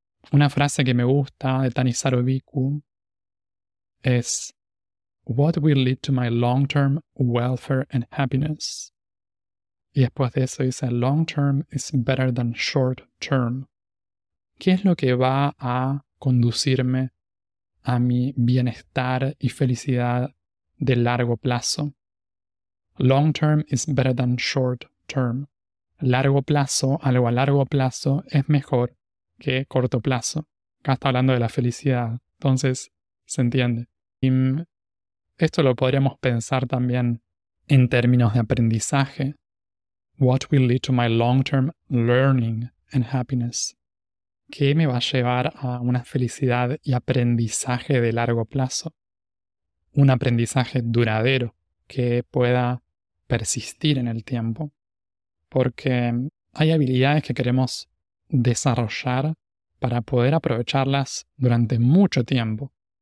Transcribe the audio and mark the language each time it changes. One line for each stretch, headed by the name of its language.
Spanish: Una frase que me gusta de Tanisaro Bhikkhu es:
English: "What will lead to my long-term welfare and happiness?"
Spanish: Y después de eso dice,
English: long term is better than short term.
Spanish: ¿Qué es lo que va a conducirme a mi bienestar y felicidad de largo plazo?
English: Long term is better than short term.
Spanish: Largo plazo, algo a largo plazo, es mejor que corto plazo. Acá está hablando de la felicidad. Entonces, se entiende. Y esto lo podríamos pensar también en términos de aprendizaje.
English: What will lead to my long-term learning and happiness?
Spanish: ¿Qué me va a llevar a una felicidad y aprendizaje de largo plazo? Un aprendizaje duradero que pueda persistir en el tiempo. Porque hay habilidades que queremos desarrollar para poder aprovecharlas durante mucho tiempo.